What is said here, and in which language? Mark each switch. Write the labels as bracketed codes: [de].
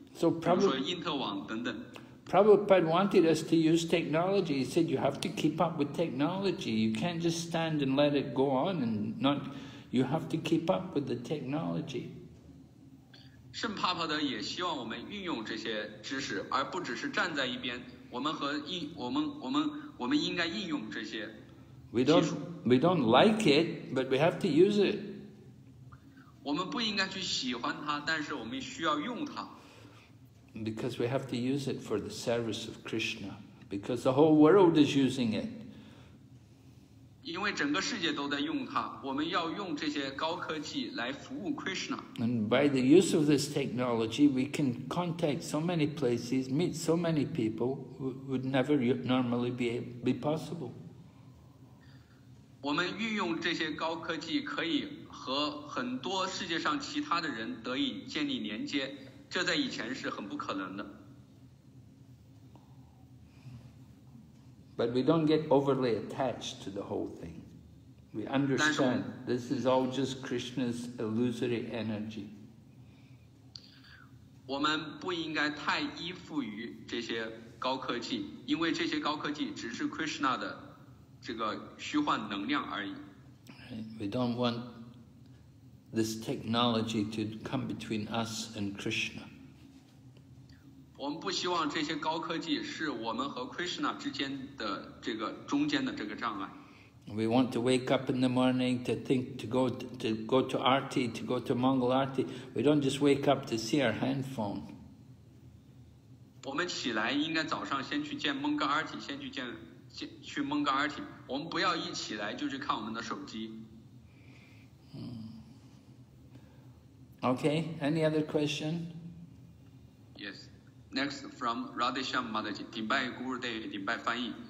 [en] so、probably, [zh] 比如说因特网等等。 [en] Prabhupada wanted us to use technology. He said you have to keep up with technology. You can't just stand and let it go on and not. You have to keep up with the technology. [zh] 圣帕帕德也希望我们运用这些知识，而不只是站在一边。我们应该应用这些技术。 [en] We don't like it, but we have to use it. [zh] 我们不应该去喜欢它，但是我们需要用它。 [en] Because we have to use it for the service of Krishna, because the whole world is using it. [zh] 因为整个世界都在用它，我们要用这些高科技来服务 Krishna. [en] And by the use of this technology, we can contact so many places, meet so many people who would never normally be possible. [zh] 我们运用这些高科技可以和很多世界上其他的人得以建立连接，这在以前是很不可能的。 [en] But we don't get overly attached to the whole thing. We understand this is all just Krishna's illusory energy. [zh] 我们不应该太依附于这些高科技，因为这些高科技只是 Krishna 的这个虚幻能量而已。 [en] We don't want this technology to come between us and Krishna. [zh] 我们不希望这些高科技是我们和 Krishna 之间的这个中间的这个障碍。 [en] We want to wake up in the morning to think to go to Arti, to go to Mangal Arti. We don't just wake up to see our handphone. [zh] 我们起来应该早上先去见蒙哥阿提，先去蒙哥阿提。我们不要一起来就去看我们的手机。 [en] Okay, any other question? Yes. Next from Radhisham Madhaji, 顶拜 Guru Day, [zh] 顶拜翻译。